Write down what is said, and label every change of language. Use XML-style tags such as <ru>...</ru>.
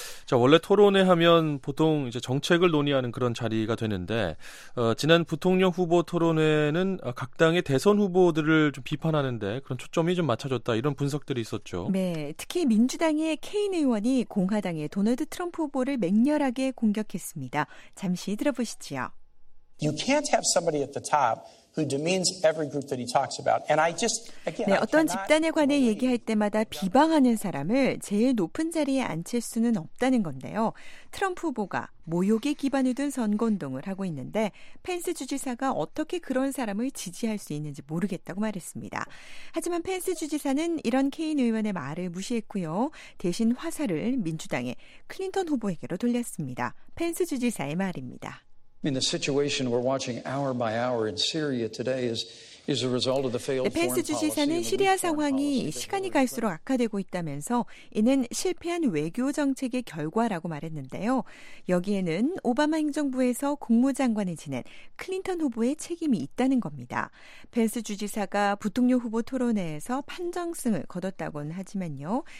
<ko>자, 원래 토론회 하면 보통 이제 정책을 논의하는 그런 자리가 되는데 지난 부통령 후보 토론회는 각 당의 대선 후보들을 좀 비판하는데 그런 초점이 좀 맞춰졌다 이런 분석들이 있었죠. 네, 특히 민주당의 케인 의원이 공화당의 도널드 트럼프 후보를 맹렬하게 공격했습니다. 잠시 들어보시지요.</ko> <en>You can't have somebody at the top who demeans every group that he talks about. And I just again</en> <ko>네, 어떤 집단에 관해 얘기할 때마다 비방하는 사람을 제일 높은 자리에 앉힐 수는 없다는 건데요. 트럼프 후보가 모욕에 기반을 둔 선거운동을 하고 있는데 펜스 주지사가 어떻게 그런 사람을 지지할 수 있는지 모르겠다고 말했습니다. 하지만 펜스 주지사는 이런 케인 의원의 말을 무시했고요. 대신 화살을 민주당의 클린턴 후보에게로 돌렸습니다. 펜스 주지사의 말입니다.</ko> <en>I mean, the situation we're watching hour by hour in Syria today is a result of the failed foreign policy.</en> <ko>펜스 주지사는 시리아 상황이 시간이 갈수록 악화되고 있다면서 이는 실패한 외교 정책의 결과라고 말했는데요. 여기에는 오바마 행정부에서 국무장관을 지낸 클린턴 후보의 책임이 있다는 겁니다. 펜스 주지사가 부통령 후보 토론회에서 판정승을 거뒀다고는 하지만요.</ko>